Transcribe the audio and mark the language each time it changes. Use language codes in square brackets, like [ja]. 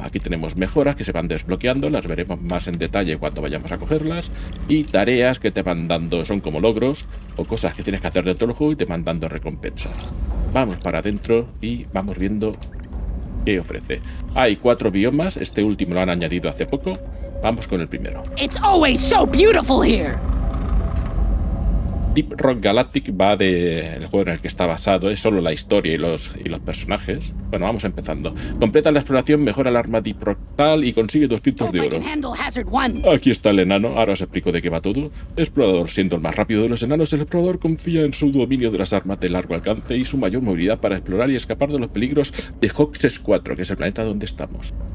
[es] Aquí tenemos mejoras que se van desbloqueando, las veremos más en detalle cuando vayamos a cogerlas, y tareas que te van dando, son como logros o cosas que tienes que hacer dentro del juego y te van dando recompensas. Vamos para adentro y vamos viendo qué ofrece. Hay cuatro biomas, este último lo han añadido hace poco. Vamos con el primero. [en] It's always so beautiful here. [es] Deep Rock Galactic va de el juego en el que está basado, es solo la historia y los personajes. Bueno, vamos empezando. Completa la exploración, mejora el arma Deep Rock tal y consigue 200 de oro. Aquí está el enano, ahora os explico de qué va todo. Explorador, siendo el más rápido de los enanos, el explorador confía en su dominio de las armas de largo alcance y su mayor movilidad para explorar y escapar de los peligros de Hoxxes 4, que es el planeta donde estamos.